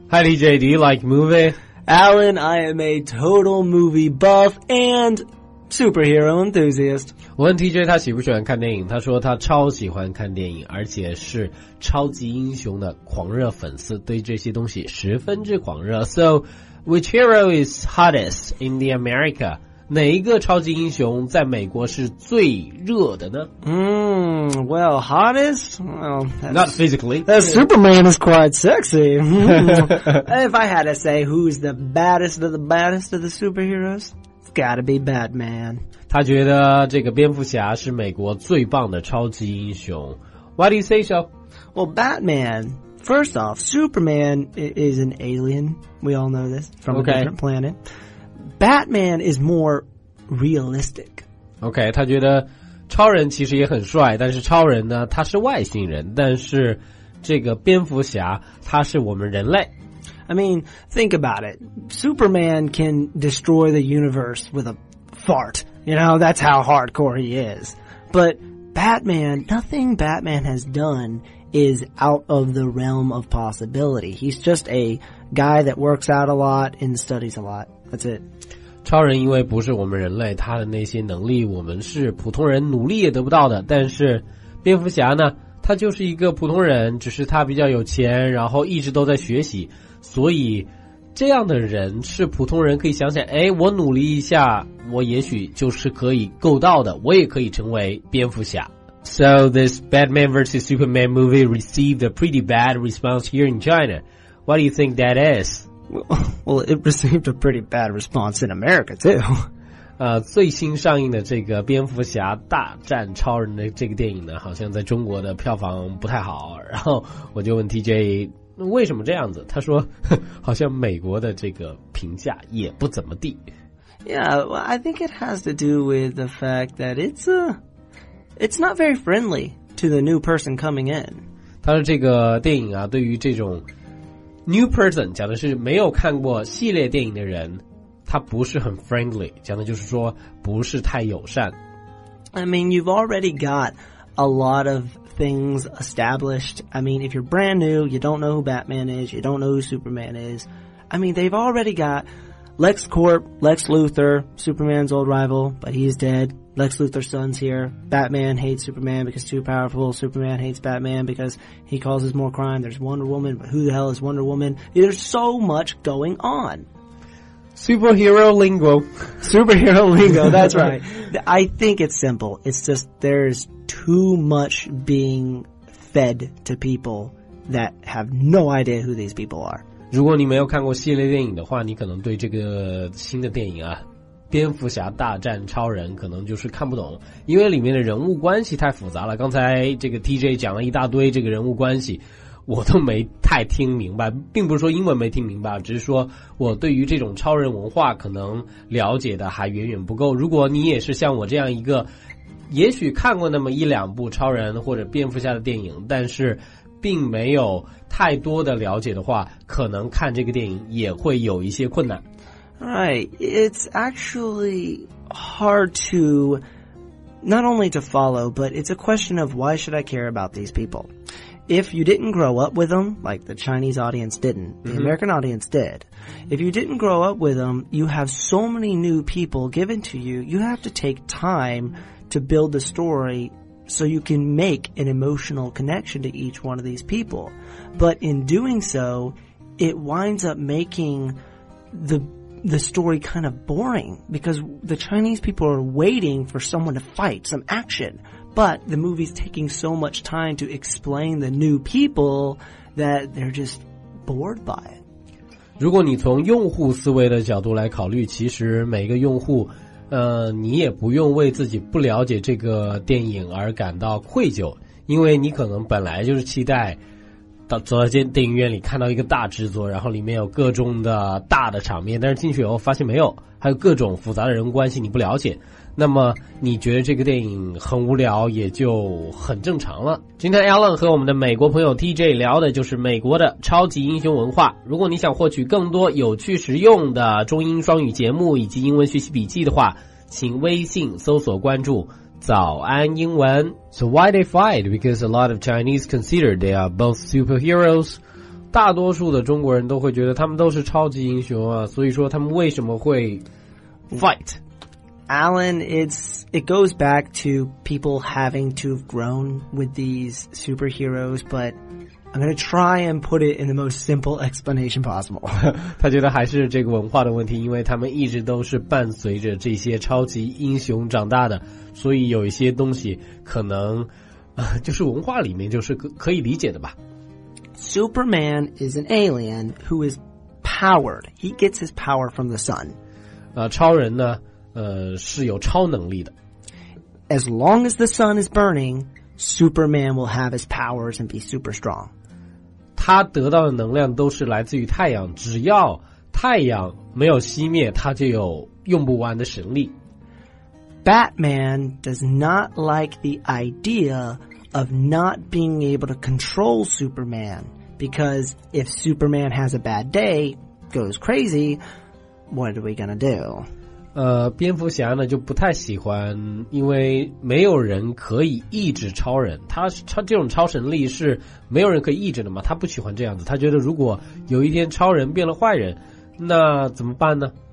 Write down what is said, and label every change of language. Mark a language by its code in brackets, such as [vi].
[en] Hi DJ, do you like movie? Alan, I am a total movie buff and superhero enthusiast. [zh] 我问 TJ 他喜不喜欢看电影，他说他超喜欢看电影，而且是超级英雄的狂热粉丝，对这些东西十分之狂热。 [en] So, which hero is hottest in the America? [zh] 哪一个超级英雄在美国是最热的呢？ [en] well, hottest? Well, not physically. Superman is quite sexy. If I had to say who's the baddest of the baddest of the superheroes, it's gotta be Batman. [zh] 他觉得这个蝙蝠侠是美国最棒的超级英雄。 [en] Why do you say so? Well, Batman... First off, Superman is an alien. We all know this from a different planet. Batman is more realistic. [zh] Okay, 他觉得超人其实也很帅，但是超人呢，他是外星人，但是这个蝙蝠侠，他是我们人类。 [en] I mean, think about it. Superman can destroy the universe with a fart. You know, that's how hardcore he is. But Batman, nothing Batman has done... is out of the realm of possibility. He's just a guy that works out a lot and studies a lot. That's it. [zh] 超人因为不是我们人类，他的那些能力我们是普通人努力也得不到的。但是蝙蝠侠呢，他就是一个普通人，只是他比较有钱，然后一直都在学习。所以这样的人是普通人可以想想，哎，我努力一下，我也许就是可以够到的，我也可以成为蝙蝠侠。 [en] So this Batman vs. Superman movie received a pretty bad response here in China. Why do you think that is? Well, it received a pretty bad response in America, too. [zh] 最新上映的这个蝙蝠侠大战超人的这个电影呢，好像在中国的票房不太好。然后我就问 TJ, 为什么这样子？他说，好像美国的这个评价也不怎么地。 [en] Yeah, well, I think it has to do with the fact that it's not very friendly to the new person coming in. [zh] 他说这个电影啊，对于这种 [en] new person, [zh] 讲的是没有看过系列电影的人，他不是很 [en] friendly, [zh] 讲的就是说不是太友善。 [en] I mean, you've already got a lot of things established. I mean, if you're brand new, you don't know who Batman is, you don't know who Superman is. I mean, they've already got Lex Corp, Lex Luthor, Superman's old rival, but he's dead. Lex Luthor's son's here. Batman hates Superman because too powerful. Superman hates Batman because he causes more crime. There's Wonder Woman, but who the hell is Wonder Woman? There's so much going on. Superhero lingo. Superhero lingo, that's right. I think it's simple. It's just there's too much being fed to people that have no idea who these people are. [zh] 如果你没有看过系列电影的话，你可能对这个新的电影啊蝙蝠侠大战超人可能就是看不懂，因为里面的人物关系太复杂了。刚才这个 TJ 讲了一大堆这个人物关系，我都没太听明白，并不是说英文没听明白，只是说我对于这种超人文化可能了解的还远远不够。如果你也是像我这样一个也许看过那么一两部超人或者蝙蝠侠的电影，但是并没有太多的了解的话，可能看这个电影也会有一些困难。 [en] Right, it's actually hard to, not only to follow, but it's a question of why should I care about these people? If you didn't grow up with them, like the Chinese audience didn't, the mm-hmm. American audience did, if you didn't grow up with them, you have so many new people given to you, you have to take time to build the story so you can make an emotional connection to each one of these people. But in doing so, it winds up making the story kind of boring because the Chinese people are waiting for someone to fight, some action. But the movie's taking so much time to explain the new people that they're just bored by it. [zh] 如果你从用户思维的角度来考虑，其实每个用户，你也不用为自己不了解这个电影而感到愧疚，因为你可能本来就是期待走到电影院里看到一个大制作，然后里面有各种的大的场面，但是进去以后发现没有，还有各种复杂的人关系你不了解，那么你觉得这个电影很无聊也就很正常了。今天 Alan 和我们的美国朋友 TJ 聊的就是美国的超级英雄文化。如果你想获取更多有趣实用的中英双语节目以及英文学习笔记的话，请微信搜索关注 [en] 早安英文。So why they fight? Because a lot of Chinese consider they are both superheroes. [zh] 大多数的中国人都会觉得他们都是超级英雄啊，所以说他们为什么会 [en] fight? Alan, it goes back to people having to have grown with these superheroes, but I'm going to try and put it in the most simple explanation possible. [zh] 他觉得还是这个文化的问题，因为他们一直都是伴随着这些超级英雄长大的，所以有一些东西可能就是文化里面就是可以理解的吧。 [en] Superman is an alien who is powered. He gets his power from the sun. [zh] 超人呢是有超能力的。 [en] As long as the sun is burning, Superman will have his powers and be super strong. [zh] 他得到的能量都是来自于太阳，只要太阳没有熄灭，他就有用不完的神力。 [en] Batman does not like the idea of not being able to control Superman, because if Superman has a bad day, goes crazy, what are we gonna do? [zh] 蝙蝠侠呢就不太喜欢，因为没有人可以抑制超人，他这种超神力是没有人可以抑制的嘛，他不喜欢这样子，他觉得如果有一天超人变了坏人，那怎么办呢？